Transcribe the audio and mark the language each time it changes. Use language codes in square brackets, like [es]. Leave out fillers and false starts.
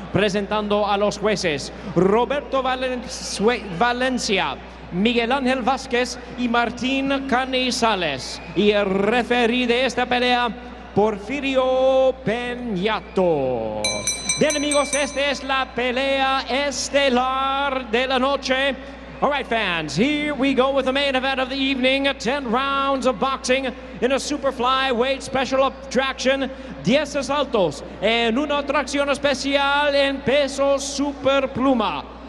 [es] Presentando a los jueces Roberto Valencia, Miguel Ángel Vázquez y Martín Canizales. Y el referí de esta pelea, Porfirio Peñato. Bien, amigos, esta es la pelea estelar de la noche. [en] All right, fans, here we go with the main event of the evening. 10 rounds of boxing in a super flyweight special attraction. [es] 10 asaltos en una atracción especial en peso super pluma.